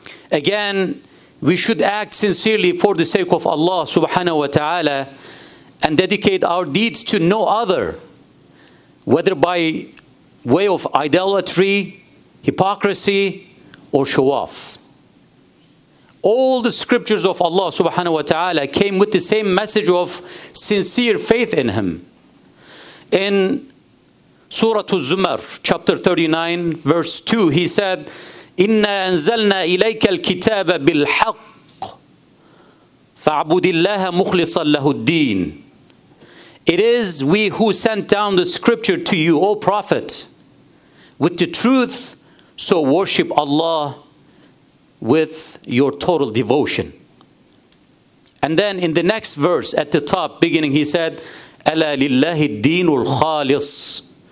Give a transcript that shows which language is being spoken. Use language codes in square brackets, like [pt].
[en] Again, we should act sincerely for the sake of Allah subhanahu wa ta'ala, and dedicate our deeds to no other, whether by way of idolatry, hypocrisy, or show off. All the scriptures of Allah subhanahu wa ta'ala came with the same message of sincere faith in him. In Surah Az-Zumar, chapter 39, verse 2, he said, [ar] إِنَّا أَنزَلْنَا إِلَيْكَ الْكِتَابَ بِالْحَقِّ فَعْبُدِ اللَّهَ مُخْلِصًا لَهُ الدِّينِ. [en] It is we who sent down the scripture to you, O Prophet, with the truth, so worship Allah with your total devotion. And then in the next verse at the top beginning, he said, [ar] أَلَا لِلَّهِ الدِّينُ الْخَالِصِ.